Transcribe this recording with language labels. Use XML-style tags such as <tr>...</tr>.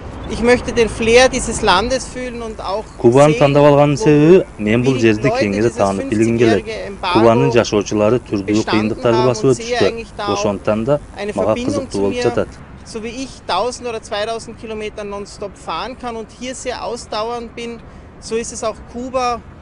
<de>Ich möchte den Flair dieses Landes fühlen und auch</de> <ky>Кубан тандап алганын себеби мен бул жерди кеңири таанып билгим келет. Кубанын жашоочулары түрдүү кыйындыктарды басып өтүштү. Ошондон да мага кызыктуу болуп жатат.</ky> <de>So wie ich 1000 oder 2000 Kilometer nonstop fahren kann und hier sehr ausdauernd bin, so ist es auch Kuba.</de>